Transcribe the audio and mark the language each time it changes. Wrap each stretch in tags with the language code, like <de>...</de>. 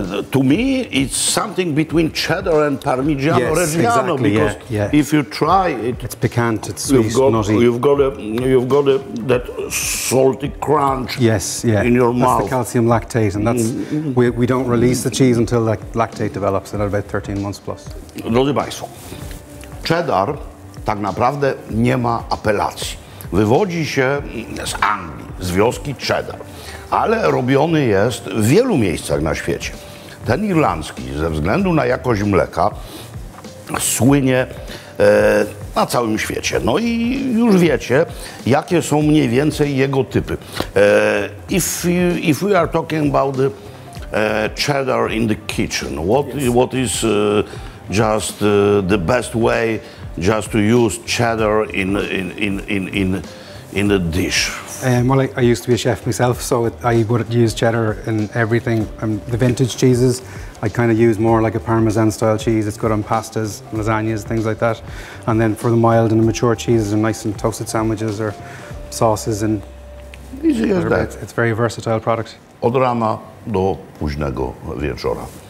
<en>to me, it's something between cheddar and Parmigiano yes, Reggiano, exactly, because yeah, yeah. if you try it... It's piquant, it's sweet, nutty. You've got that salty crunch yes, yeah. in your mouth. That's the calcium lactate, and that's we don't release the cheese until like lactate develops at about 13 months plus.</en> <pl>Drodzy Państwo, cheddar tak naprawdę nie ma apelacji. Wywodzi się z Anglii, z wioski cheddar. Ale robiony jest w wielu miejscach na świecie. Ten irlandzki, ze względu na jakość mleka, słynie na całym świecie. No i już wiecie, jakie są mniej więcej jego typy.</pl> <en>If we are talking about the cheddar in the kitchen, what is just the best way just to use cheddar in the dish? Well, I used to be a chef myself, so I would use cheddar in everything. The vintage cheeses, I kind of use more like a Parmesan-style cheese. It's good on pastas, lasagnas, things like that. And then for the mild and the mature cheeses, they're nice in toasted sandwiches or sauces. And easy as that. It's a very versatile product.</en> <pl>Od rana do późnego wieczora.</pl>